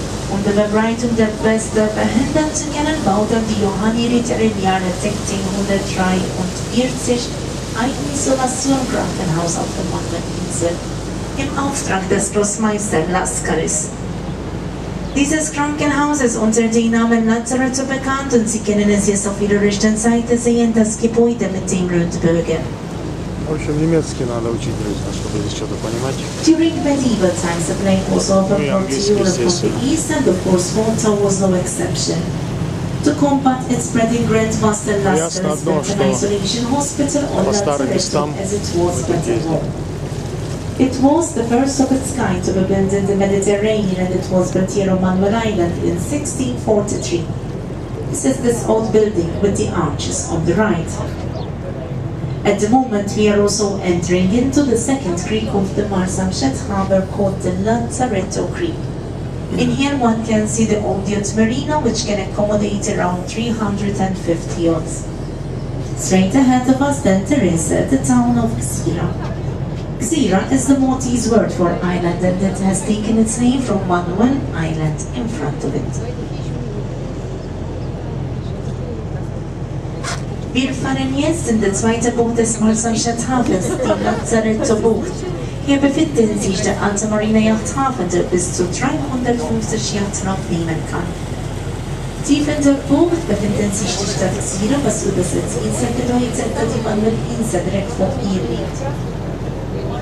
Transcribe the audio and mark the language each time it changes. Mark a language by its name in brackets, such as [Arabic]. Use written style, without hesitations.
[German] Um die Verbreitung der Pest behindern zu können, bauten die Johanniter im Jahre 1643 ein Isolationskrankenhaus auf der Mandelinsel im Auftrag des Großmeisters Lascaris. Dieses Krankenhaus ist unter dem Namen Lazarus bekannt und Sie können es jetzt auf Ihrer rechten Seite sehen, das Gebäude mit dem Rundbogen. [Russian] В общем, немецкий надо учить, друзья, чтобы здесь что-то понимать. [English] During medieval times, the plague was often brought to Europe from the east, and of course, Malta was no exception. To combat its spreading, Grand Master Lazarus built an isolation hospital on that territory, as it was better. It was the first of its kind to be built in the Mediterranean, and it was built here on Manuel Island in 1643. This is this old building with the arches on the right. At the moment, we are also entering into the second creek of the Marsamshet harbor called the Lanzaretto Creek. In here, one can see the old yacht marina, which can accommodate around 350 yachts. Straight ahead of us, then, there is the town of Xira. Xira is the Maltese word for island, and it has taken its name from Manuel Island in front of it. [German] Wir fahren jetzt in der zweite Boot des Marsamshet Hafens, die Lazaretto Bucht. Hier befinden sich der alte Marina Yachthafen, der bis zu 350 Yachten aufnehmen kann. Tief in der Bucht befinden sich die Stadt Xira, was übersetzt Insel bedeutet, da die Manuel Insel direkt vor ihr liegt.